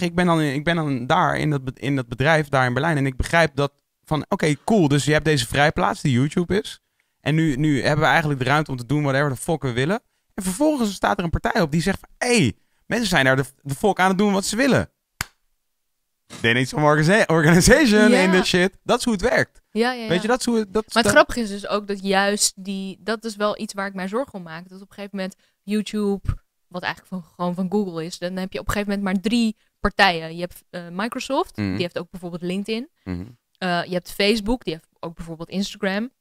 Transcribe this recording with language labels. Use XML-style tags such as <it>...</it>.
<nl>Ik ben dan daar in dat bedrijf, daar in Berlijn. En ik begrijp dat van, oké, cool. Dus je hebt deze vrijplaats die YouTube is. En nu hebben we eigenlijk de ruimte om te doen</nl> <en>whatever the fuck</en> <nl>we willen. En vervolgens staat er een partij op die zegt van, hey, mensen zijn daar de fuck aan het doen wat ze willen.</nl> <en>They need some organization in this shit.</en> <nl>Dat is hoe het werkt. Ja, ja, ja. Weet je, dat is hoe... Grappige is dus ook dat juist die... Dat is wel iets waar ik mij zorgen om maak. Dat op een gegeven moment YouTube, wat eigenlijk gewoon van Google is... Dan heb je op een gegeven moment maar drie partijen. Je hebt Microsoft, mm-hmm. die heeft ook bijvoorbeeld LinkedIn. Mm-hmm. Je hebt Facebook, die heeft ook bijvoorbeeld Instagram.</nl>